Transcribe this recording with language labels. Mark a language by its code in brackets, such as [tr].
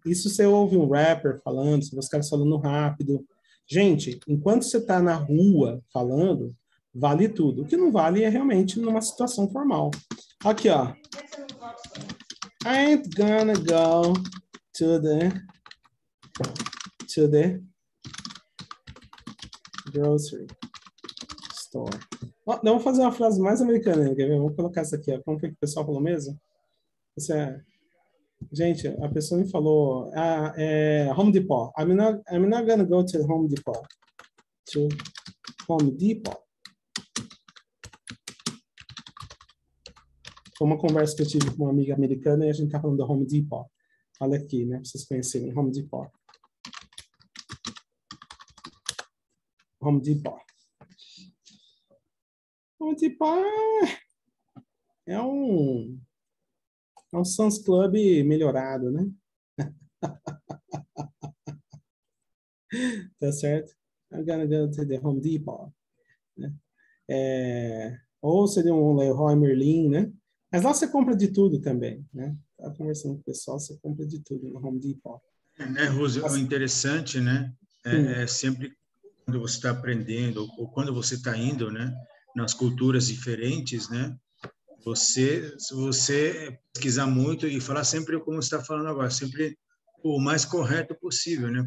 [pt] Isso você ouve um rapper falando, os caras falando rápido. Gente, enquanto você está na rua falando, vale tudo. O que não vale é realmente numa situação formal. Aqui, ó. [en] I'm gonna go to the grocery store. [pt] Ó, vamos fazer uma frase mais americana, quer ver? Vamos colocar essa aqui, ó. Como que o pessoal falou mesmo? Você, gente, a pessoa me falou, Home Depot. [en] I'm not gonna go to Home Depot. To Home Depot. [pt] Foi uma conversa que eu tive com uma amiga americana e a gente tá falando do Home Depot. Olha aqui, né? Pra vocês conhecerem. Home Depot. Home Depot. Home Depot é um Sans Club melhorado, né? Tá certo? [en] I'm gonna go to the Home Depot. [pt] Ou seria um Leroy Merlin, né? Mas lá você compra de tudo também, né? Tá conversando com o pessoal, você compra de tudo no Home Depot. Rose, o interessante, né? É sempre quando você está aprendendo ou quando você está indo, né? Nas culturas diferentes, né? Você pesquisar muito e falar sempre como você está falando agora, sempre o mais correto possível, né?